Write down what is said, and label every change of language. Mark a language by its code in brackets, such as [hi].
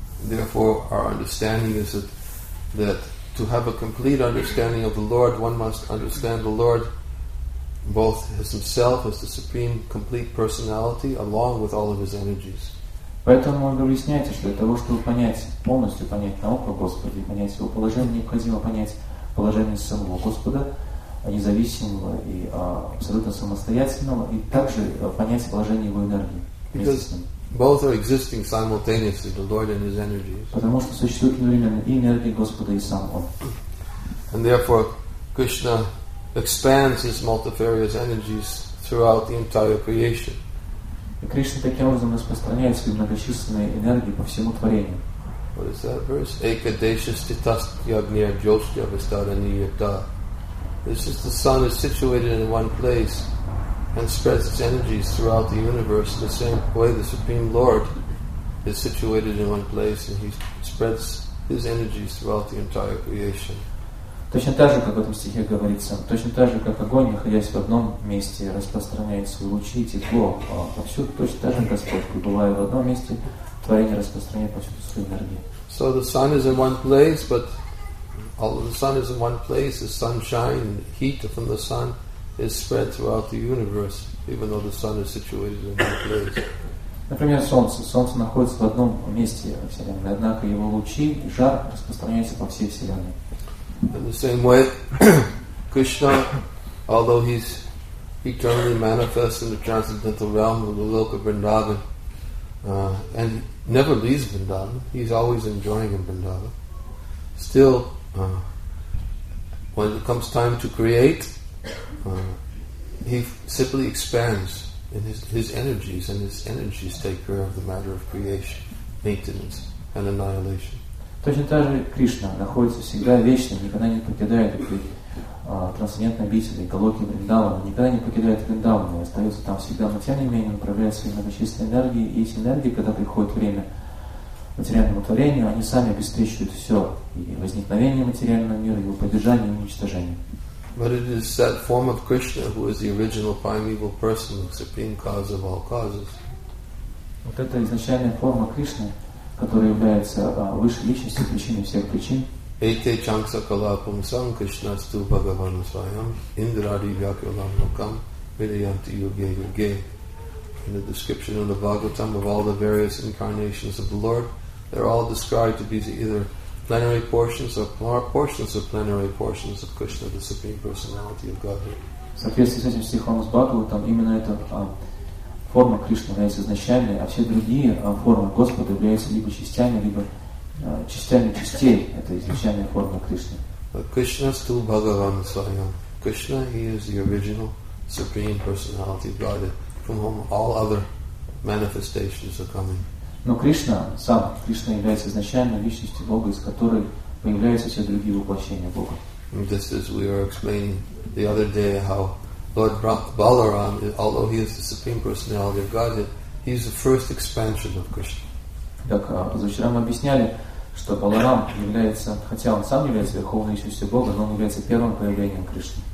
[en] Therefore, our understanding is that to have a complete understanding of the Lord, one must understand the Lord both as Himself, as the Supreme Complete Personality, along with all of His energies. [ru] Поэтому он объясняет, что для того, чтобы понять полностью понять науку Господа, понять его положение, необходимо понять положение самого Господа, независимого и абсолютно самостоятельного, и также понять положение его энергии. [en] Both are existing simultaneously, the Lord and His energies. [ru] Потому что существует одновременно и энергия Господа, и сам Он. [en] And therefore, Krishna expands His multifarious energies throughout the entire creation. [ru] И Кришна таким образом распространяет свои многочисленные энергии по всему творению. [en] What is that verse? [sa] Ekadeśa-sthitasthyagnir-jyoshtya-vistara-niyata. [en] It's just the sun is situated in one place and spreads its energies throughout the universe in the same way the Supreme Lord is situated in one place and He spreads His energies throughout the entire creation. [ru] Точно так же, как в этом стихе говорится, точно так же, как огонь, находясь в одном месте, распространяет свои лучи и тепло повсюду, точно так же Господь, пребывая в одном месте, творение распространяет повсюду свою энергию. [en] So the sun is in one place, but although the sun is in one place, the sunshine, heat from the sun, is spread throughout the universe, even though the sun is situated in one place. [ru] Например, солнце. Солнце находится в одном месте во Вселенной, однако его лучи, жар распространяются по всей Вселенной. [en] In the same way, Krishna, although he's eternally manifest in the transcendental realm of the Loka Vrindavan, and never leaves Vrindavan, he's always enjoying in Vrindavan. Still, when it comes time to create, he simply expands in his energies, and his energies take care of the matter of creation, maintenance, and annihilation. [ru] Точно так же Кришна находится всегда вечно, никогда не покидает трансцендентной обители Галоки Вриндавана, никогда не покидает Вриндавана, и остается там всегда, но тем не менее он проявляет свои многочисленные энергии, и эти энергии, когда приходит время материальному творению, они сами обеспечивают все, и возникновение материального мира, его поддержание и уничтожение. [en] But it is that form of Krishna who is the original primeval person, the supreme cause of all causes. [ru] Вот это изначальная форма Кришны, которая является высшей личностью, причиной всех причин. [sa] Эйте чанкса калапум сам Кришна сту бхагавану свайам индрари вьякьолам лукам вильянти юге юге. [en] In the description of the Bhagavatam of all the various incarnations of the Lord, they're all described to be either plenary portions or portions of plenary portions of Krishna, the Supreme Personality of Godhead. [ru] В соответствии с этим стихом из Бхагаватам, именно эта форма Кришны является изначальной, а все другие формы Господа являются либо частями, либо частями частей этой изначальной формы Кришны. [en] Krishna is the original Supreme Personality of Godhead, from whom all other manifestations are coming. [ru] Но Кришна сам, Кришна является изначальной личностью Бога, из которой появляются все другие воплощения Бога. [en] Just as we were explaining the other day, how Lord Balaram, although he is the Supreme Personality of Godhead, he is the first expansion of Krishna. [ru] Так, позавчера мы объясняли, что Баларам является, хотя он сам является верховной личностью Бога, но он является первым появлением Кришны.